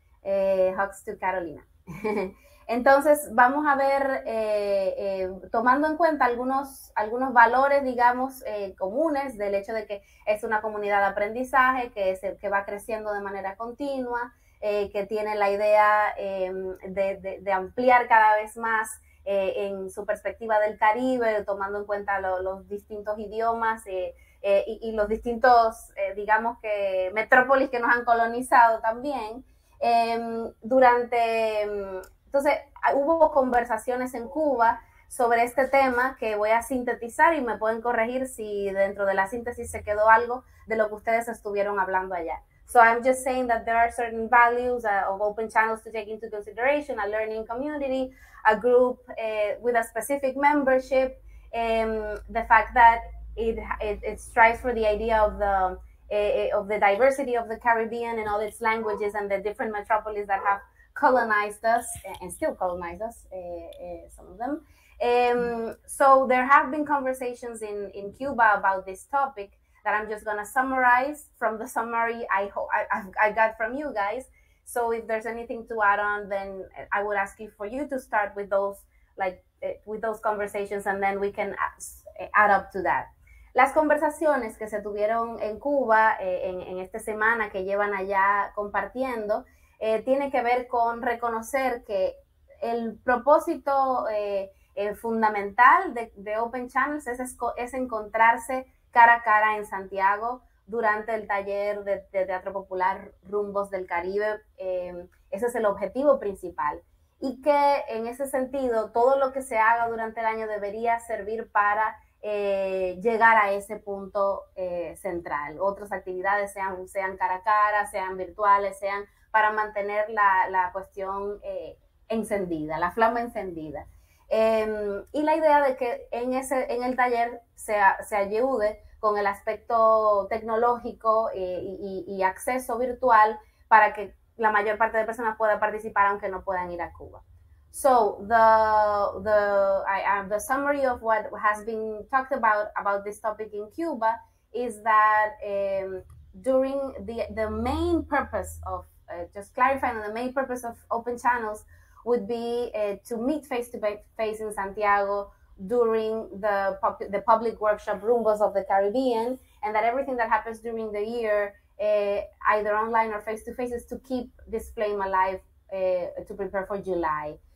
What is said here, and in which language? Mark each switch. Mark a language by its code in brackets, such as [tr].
[en] Hugs to Carolina. [es] Entonces, vamos a ver, tomando en cuenta algunos valores, digamos, comunes, del hecho de que es una comunidad de aprendizaje, que va creciendo de manera continua, que tiene la idea de ampliar cada vez más en su perspectiva del Caribe, tomando en cuenta los distintos idiomas y los distintos, digamos, que metrópolis que nos han colonizado también. Entonces, hubo conversaciones en Cuba sobre este tema que voy a sintetizar, y me pueden corregir si dentro de la síntesis se quedó algo de lo que ustedes estuvieron hablando allá. [en] So I'm just saying that there are certain values of open channels to take into consideration: a learning community, a group with a specific membership, the fact that it strives for the idea of the diversity of the Caribbean and all its languages and the different metropolises that have colonized us and still colonize us, some of them. So there have been conversations in Cuba about this topic that I'm just going to summarize from the summary I got from you guys. So if there's anything to add on, then I would ask you for you to start with those, like, with those conversations, and then we can add up to that. [es] Las conversaciones que se tuvieron en Cuba en esta semana que llevan allá compartiendo tiene que ver con reconocer que el propósito fundamental de Open Channels es encontrarse cara a cara en Santiago durante el taller de Teatro Popular Rumbos del Caribe. Ese es el objetivo principal. Y que en ese sentido, todo lo que se haga durante el año debería servir para llegar a ese punto central. Otras actividades, sean cara a cara, sean virtuales, sean para mantener la cuestión encendida, la flama encendida. Y la idea de que en el taller se ayude con el aspecto tecnológico y acceso virtual para que la mayor parte de personas pueda participar aunque no puedan ir a Cuba. [en] So the summary of what has been talked about this topic in Cuba is that during the main purpose of just clarifying, the main purpose of Open Channels would be to meet face-to-face in Santiago during the public workshop Rumbos of the Caribbean, and that everything that happens during the year, either online or face-to-face, is to keep this flame alive to prepare for July.